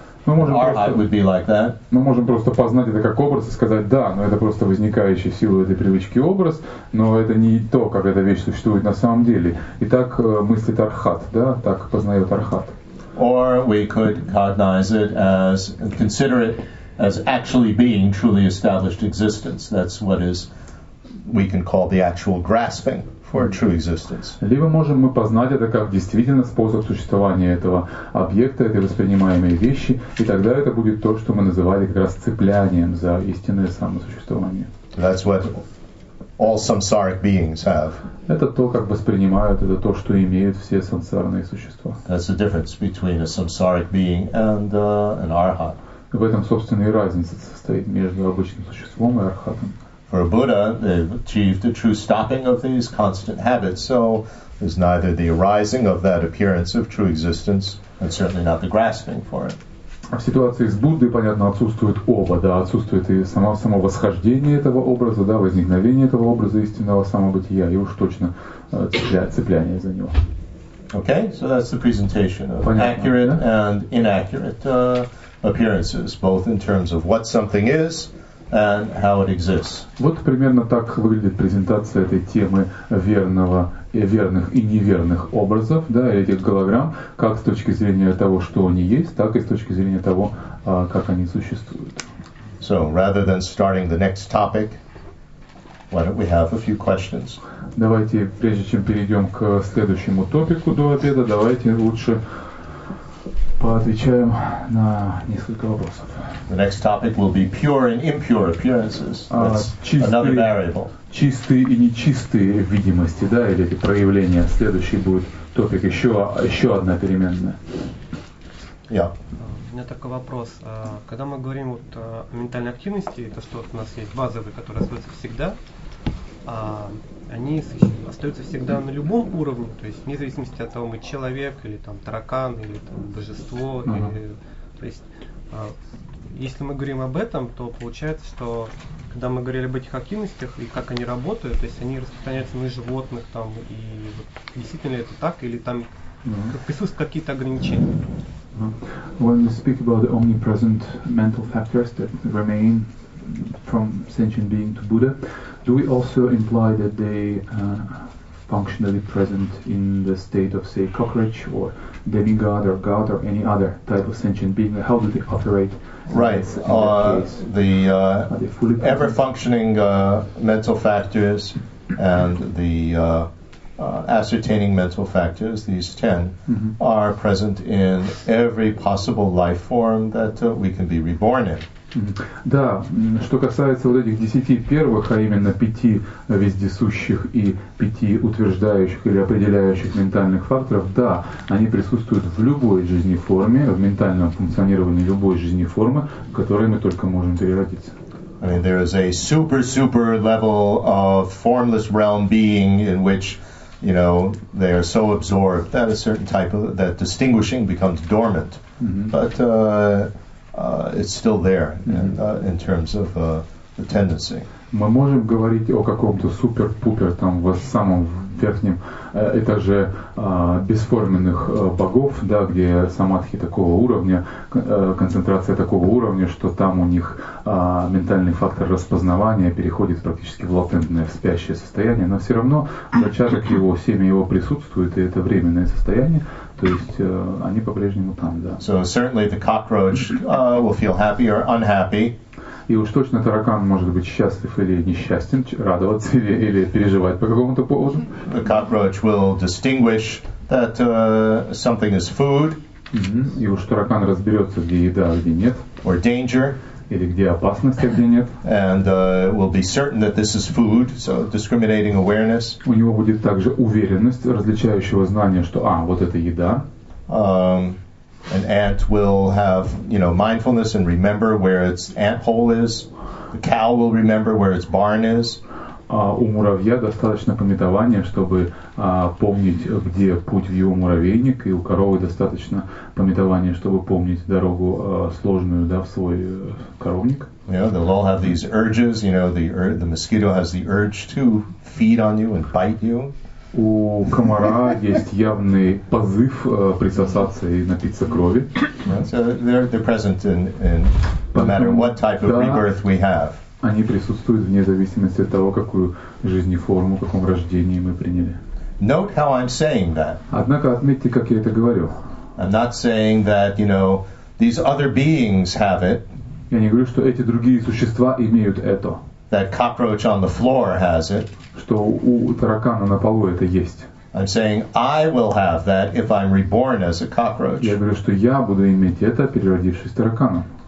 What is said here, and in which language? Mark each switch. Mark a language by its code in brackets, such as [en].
[ru] Мы можем просто познать это как образ и сказать, да, но это просто возникающий в силу этой привычки образ, но это не то, как эта вещь существует на самом деле. И так мыслит Архат, да, так познает Архат. [en] Or we could cognize it as, consider it as actually being truly established existence. That's what is, we can call the actual grasping for true existence. [ru] Либо можем мы познать это как действительно способ существования этого объекта, этой воспринимаемой вещи, и тогда это будет то, что мы называли как раз цеплянием за истинное самосуществование. [en] That's what all samsaric beings have. [ru] Это то, как воспринимают, это то, что имеют все сансарные существа. [en] That's the difference between a samsaric being and an arhat. [ru] В этом, собственно, и разница состоит между обычным существом и архатом. [en] For a Buddha, they've achieved a true stopping of these constant habits, so there's neither the arising of that appearance of true existence, and certainly not the grasping for it. [ru] В ситуации с Буддой, понятно, отсутствует оба, да, отсутствует и само восхождение этого образа, да, возникновение этого образа истинного самобытия, и уж точно цепляние за него. [en] Okay, so that's the presentation of [ru] понятно, [en] accurate [ru] да? [en] and inaccurate appearances, both in terms of what something is, and how it exists. [ru] Вот примерно так выглядит презентация этой темы верного, верных и неверных образов, да, этих голограмм, как с точки зрения того, что они есть, так и с точки зрения того, как они существуют. [en] So, rather than starting the next topic, why don't we have a few questions? [ru] Давайте, прежде чем перейдем к следующему топику до обеда, давайте лучше Поотвечаем на несколько вопросов. [en] The next topic will be pure and impure appearances. That's another variable. [ru] Чистые и нечистые видимости, да, или эти проявления. Следующий будет топик, еще одна переменная. У меня такой вопрос. Когда мы говорим вот о ментальной активности, это что у нас есть базовые, которые остаются всегда, они остаются всегда на любом уровне, то есть вне зависимости от того, мы человек, или там таракан, или там божество. То есть если мы говорим об этом, то получается, что когда мы говорили об этих активностях и как они работают, то есть они распространяются на животных, там, и вот, действительно ли это так, или там присутствуют какие-то ограничения. [en] When we speak about the omnipresent mental factors that remain from sentient being to Buddha, do we also imply that they functionally present in the state of, say, cockroach or demigod or god or any other type of sentient being? How do they operate? Right. The ever-functioning mental factors and the ascertaining mental factors, these 10, are present in every possible life form that we can be reborn in. [ru] Да, что касается вот этих 10 первых, а именно 5 вездесущих и 5 утверждающих или определяющих ментальных факторов, да, они присутствуют в любой жизнеформе, в ментальном функционировании любой жизнеформы, в которой мы только можем переродиться. [en] I mean, there is a super, super level of formless realm being in which you know, they are so absorbed that a certain type of that distinguishing becomes dormant. Mm-hmm. But it's still there in terms of the tendency. [ru] Мы можем говорить о каком-то супер-пупер там в самом верхнем этаже бесформенных богов, да, где самадхи такого уровня, концентрация такого уровня, что там у них ментальный фактор распознавания переходит практически в латентное, в спящее состояние, но все равно зачаток его, семя его присутствует, и это временное состояние, то есть они по-прежнему там, да. [en] So certainly the cockroach will feel happy or unhappy. [ru] И уж точно таракан может быть счастлив или несчастен, радоваться или переживать по какому-то поводу. [en] The cockroach will distinguish that something is food. [ru] И уж таракан разберется, где еда, где нет. [en] Or danger. [ru] Или где опасность, а где нет. [en] And will be certain that this is food, so discriminating awareness. [ru] У него будет также уверенность, различающего знания, что, вот это еда. [en] An ant will have, you know, mindfulness and remember where its ant hole is. The cow will remember where its barn is. [ru] У муравья достаточно памятования, чтобы помнить, где путь в его муравейник, и у коровы достаточно памятования, чтобы помнить дорогу сложную, да, в свой коровник. [en] Yeah, they'll all have these urges. You know, the mosquito has the urge to feed on you and bite you. [ru] У комара есть явный позыв присосаться и напиться крови. [en] So they're present in no matter what type of rebirth we have. [ru] Они присутствуют вне зависимости от того, какую жизнеформу, каком рождении мы приняли. [en] Note how I'm saying that. [ru] Однако отметьте, как я это говорю. [en] I'm not saying that, you know, these other beings have it. [ru] Я не говорю, что эти другие существа имеют это. [en] That cockroach on the floor has it. [ru] Что у таракана на полу это есть. [en] I'm saying I will have that if I'm reborn as a cockroach. [ru] Я говорю, что я буду иметь это, переродившись тараканом.